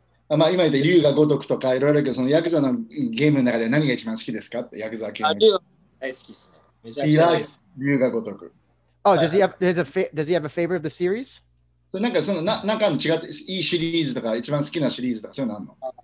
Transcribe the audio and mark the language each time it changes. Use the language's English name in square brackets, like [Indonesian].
[Japanese] まあ、今言ったリュウがごとくとかいろいろあるけど、そのヤクザのゲームの中で何が一番好きですかって、ヤクザ系の。リュウ大好きですね。めちゃくちゃ大好きです。リュウがごとく。 [English] Oh, does he have a favorite of the series? [Japanese] なんかその、なんかの違っていいシリーズとか、一番好きなシリーズとか、そういうのあるの？